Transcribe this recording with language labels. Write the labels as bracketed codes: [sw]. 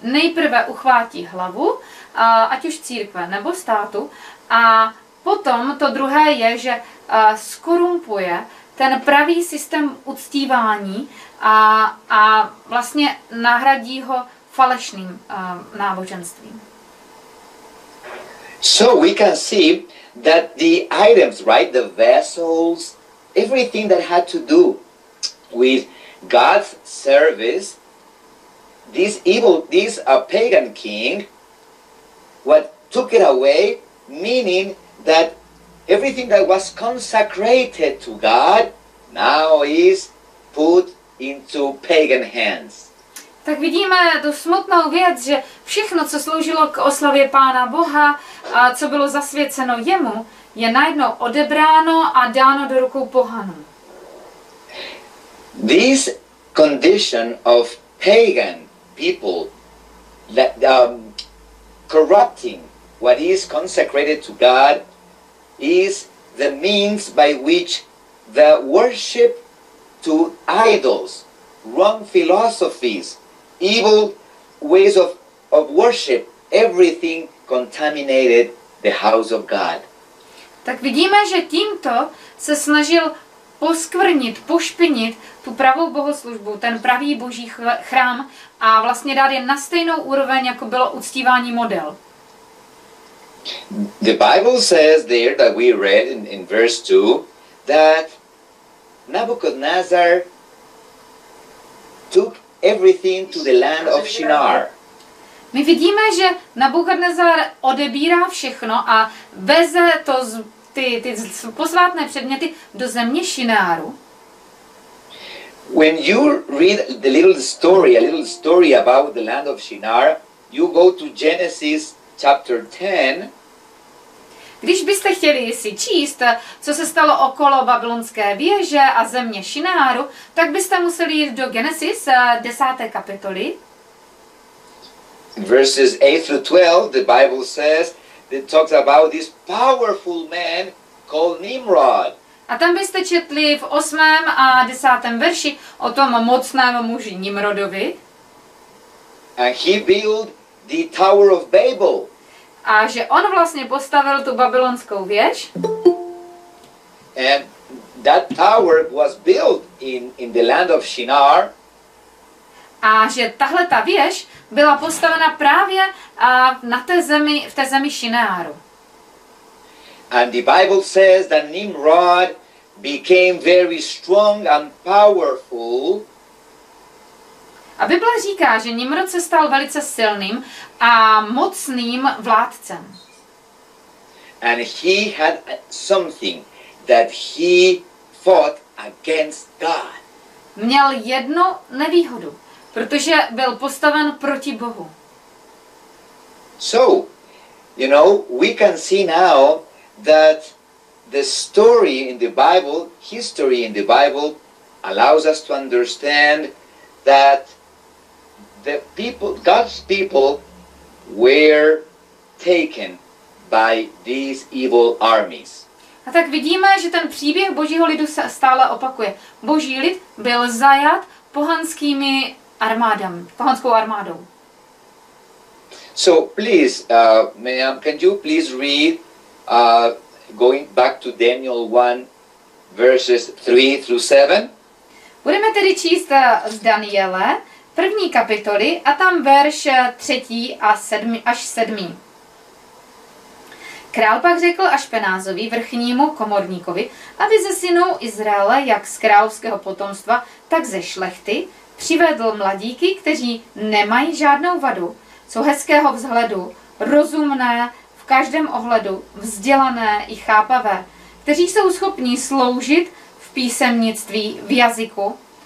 [cs] Nejprve uchvátí hlavu, ať už církve nebo státu, a potom to druhé je, že skorumpuje ten pravý systém uctívání a vlastně nahradí ho falešným náboženstvím. [en] So we can see that the items, right, the vessels, everything that had to do with God's service, this pagan king, what took it away, meaning that everything that was consecrated to God now is put into pagan hands. [cs] Tak vidíme tu smutnou věc, že všechno, co sloužilo k oslavě Pána Boha a co bylo zasvěceno jemu, je najednou odebráno a dáno do rukou pohanů. [en] This condition of pagan people corrupting what is consecrated to God is the means by which the worship to idols, wrong philosophies, evil ways of worship, everything contaminated the house of God. [cs] Tak vidíme, že tímto se snažil poskvrnit, pošpinit tu pravou bohoslužbu, ten pravý boží chrám a vlastně dát je na stejnou úroveň, jako bylo uctívání model. [en] The Bible says there that we read in verse 2 that Nebuchadnezzar took everything to the land of Shinar. [cs] My vidíme, že Nebuchadnezzar odebírá všechno a veze to z ty posvátné předměty do země Šináru. [en] When you read the little story about the land of Shinar, you go to Genesis chapter 10. [cs] Když byste chtěli si číst, co se stalo okolo babylonské věže a země Šináru, tak byste museli jít do Genesis 10. kapitoly. [en] Verses 8 through 12, the Bible says, it talks about this powerful man called Nimrod. [cs] A tam byste četli v 8. a 10. verši o tom mocném muži Nimrodovi. [en] And he built the Tower of Babel. [cs] A že on vlastně postavil tu babylonskou věž. [en] And that tower was built in the land of Shinar. [cs] A že tahle ta věž byla postavena právě na té zemi, v té zemi Šináru. [en] And the Bible says that Nimrod became very strong and powerful. [cs] A Bible říká, že Nimrod se stal velice silným a mocným vládcem. [en] And he had something that he fought against God. [cs] Měl jednu nevýhodu. Protože byl postaven proti Bohu. [en] So, you know, we can see now that the story in the Bible, history in the Bible, allows us to understand that the people, God's people, were taken by these evil armies. [cs] A tak vidíme, že ten příběh Božího lidu se stále opakuje. Boží lid byl zajat pohanskými pohanskou armádou. [en] So please, ma'am, can you please read going back to Daniel 1 verses 3 through 7? [cs] Budeme tedy číst z Daniele první kapitoly a tam verš 3 a 7 až 7. Král pak řekl Ašpenázovi, vrchnímu komorníkovi, aby ze synů Izraele, jak z královského potomstva, tak ze šlechty, přivedl mladíky, kteří nemají žádnou vadu, jsou hezkého vzhledu, rozumné v každém ohledu, vzdělané i chápavé, kteří jsou schopní sloužit v písemnictví, v jazyku.